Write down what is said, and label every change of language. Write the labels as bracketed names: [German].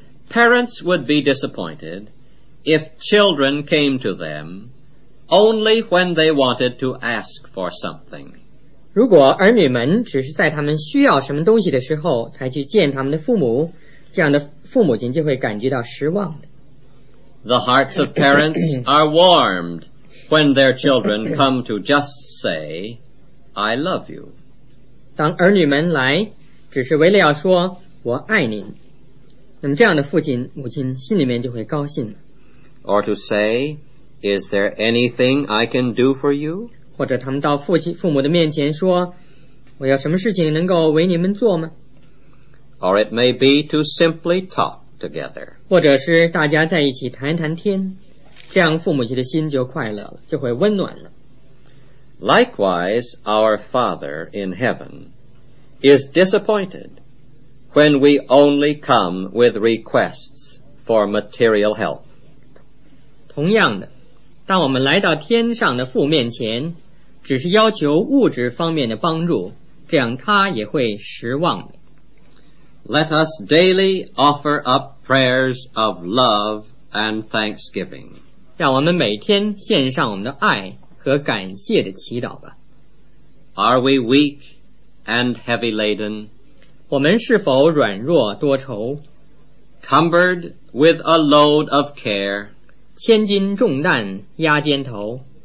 [English] Parents would be disappointed if children came to them only when they wanted to ask for something [Chinese] 如果儿女们只是在他们需要什么东西的时候才去见他们的父母这样的父母亲就会感觉到失望的 [English] The hearts of parents are warmed when their children come to just say I love you [Chinese] 当儿女们来只是为了要说我爱您那么这样的父亲母亲心里面就会高兴 [English] Or to say, is there anything I can do for you? [Chinese] 或者他们到父母的面前说，我有什么事情能够为你们做吗？ [English] Or it may be to simply talk together. [Chinese] 或者是大家在一起谈谈天，这样父母亲的心就快乐了，就会温暖了。 [English] Likewise, our Father in heaven is disappointed when we only come with requests for material help. [Chinese] 同样的当我们来到天上的父面前只是要求物质方面的帮助这样他也会失望的 [English] Let us daily offer up prayers of love and thanksgiving [Chinese] 让我们每天献上我们的爱和感谢的祈祷吧 [English] Are we weak and heavy laden? [Chinese] 我们是否软弱多愁 [English] Cumbered with a load of care [Chinese] 千斤重担压肩头